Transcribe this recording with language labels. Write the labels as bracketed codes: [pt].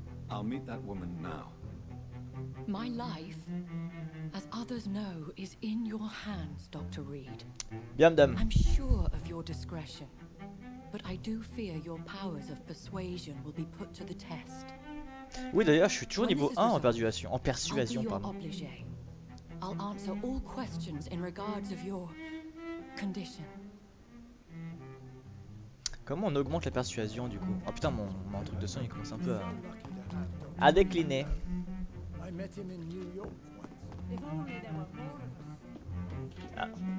[en] I'll meet that woman now. My life, as others know, is in your hands, Dr. Reed. [fr] Bien, madame. [en] I'm sure of your discretion, but I do fear your powers of persuasion will be put to the test. [fr] Oui, d'ailleurs, je suis toujours niveau 1 en persuasion. En persuasion, [en] pardon. I'll be your obligé. I'll answer all questions in regards of your condition. [fr] Comment on augmente la persuasion, du coup? Oh putain, mon truc de sang, il commence un peu à décliner. [en] I met him in New York once. If only there were more of us.